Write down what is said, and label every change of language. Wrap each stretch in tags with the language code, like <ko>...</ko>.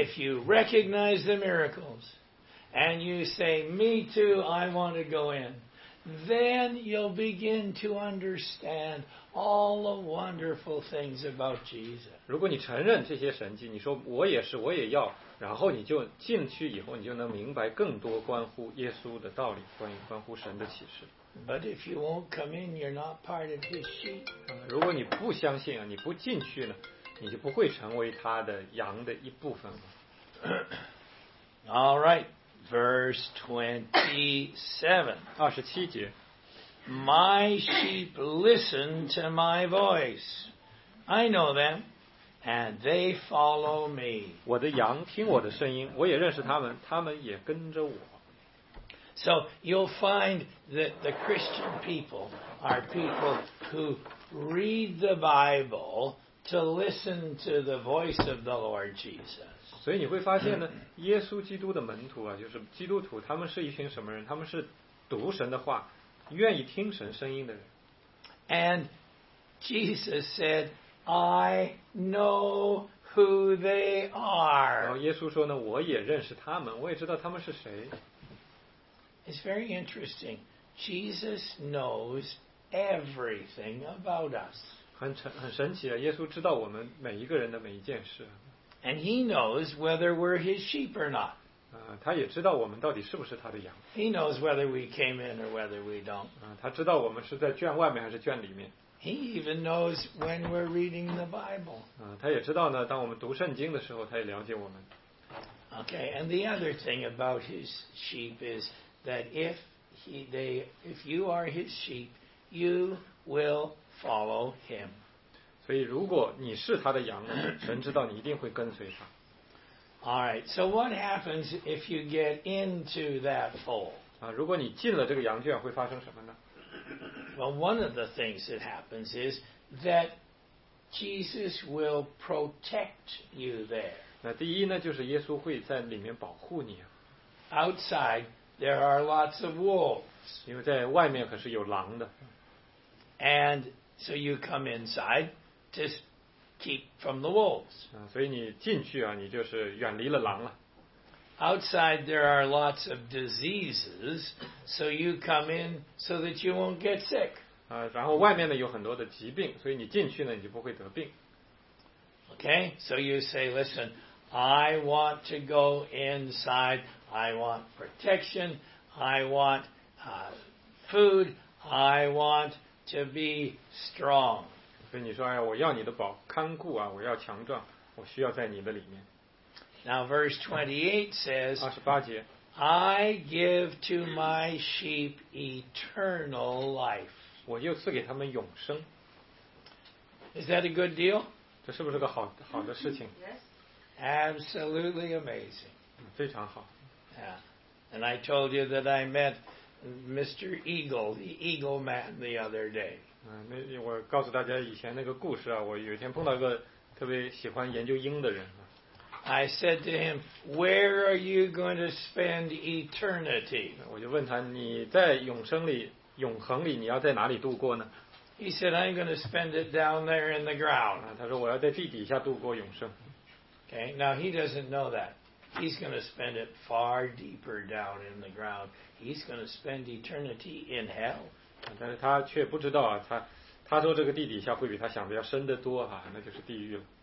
<en>If you recognize the miracles and you say, me too, I want to go in. Then you'll begin to understand all the wonderful things about Jesus.</en> <zh>如果你承认这些神迹，你说我也是，我也要，然后你就进去以后，你就能明白更多关乎耶稣的道理，关乎神的启示。</zh> <en>But if you won't come in, you're not part of His sheep.</en> <zh>如果你不相信啊，你不进去呢，你就不会成为他的羊的一部分</zh> <en>了。All right. Verse 27. My sheep listen to my voice. I know them, and they follow me.</en> <zh>我的羊听我的声音，我也认识他们，他们也跟着我。</zh> <en>So you'll find that the Christian people are people who read the Bible to listen to the voice of the Lord Jesus.</en> <zh>所以你会发现呢，耶稣基督的门徒啊，就是基督徒，他们是一群什么人？他们是读神的话，愿意听神声音的人。</zh> <en>And Jesus said, I know who they are.</en> <zh>然后耶稣说呢，我也认识他们，我也知道他们是谁。</zh> <en>It's very interesting. Jesus knows everything about us.</en> <zh>很神奇啊，耶稣知道我们每一个人的每一件事。</zh> <en>And he knows whether we're his sheep or not.</en> <zh>他也知道我们到底是不是他的羊。</zh> <en>He knows whether we came in or whether we don't.</en> <zh>他知道我们是在圈外面还是圈里面。</zh> <en>He even knows when we're reading the Bible.</en> <zh>他也知道呢，当我们读圣经的时候，他也了解我们。</zh> <en>Okay, and the other thing about his sheep is that if you are his sheep, you will follow him.</en> <zh>所以如果你是他的羊，神知道你一定会跟随他。</zh> <en>All right, so what happens if you get into that fold?</en> <zh>如果你进了这个羊圈，会发生什么呢？</zh> <en>Well, one of the things that happens is that Jesus will protect you there.</en> <zh>那第一呢，就是耶稣会在里面保护你。</zh> <en>Outside, there are lots of wolves.</en> <zh>因为在外面可是有狼的。</zh> <en>And so you come inside to keep from the wolves.</en> <zh>所以你进去啊，你就是远离了狼了。</zh> <en>Outside there are lots of diseases, so you come in so that you won't get sick.</en> <zh>然后外面呢有很多的疾病，所以你进去呢你就不会得病。</zh> <en>Okay, so you say, listen, I want to go inside. I want protection. I want food. I want to be strong.</en> <zh>所以你说，哎，我要你的保看顾啊，我要强壮，我需要在你的里面。</zh> <en>Now verse 28 says,</en> <zh>28节,</zh> <en>I give to my sheep eternal life.</en> <zh>我就赐给他们永生。</zh> <en>Is that a good deal?</en> <zh>这是不是个好的事情?</zh> <en>Yes. Absolutely amazing.</en> <zh>非常好。</zh> <en>Yeah. And I told you that I met Mr. Eagle, the Eagle Man, the other day.</en> <zh>我告诉大家以前那个故事啊，我有一天碰到一个特别喜欢研究鹰的人。</zh> <en>I said to him, "Where are you going to spend eternity?"</en> <zh>我就问他，你在永生里、永恒里，你要在哪里度过呢？</zh> <en>He said, "I'm going to spend it down there in the ground."</en> <zh>他说我要在地底下度过永生。</zh> <en>Okay, now he doesn't know that. He's going to spend it far deeper down in the ground. He's going to spend eternity in hell.</en> <zh>但是他却不知道啊，他说这个地底下会比他想的要深得多哈，那就是地狱了。</zh>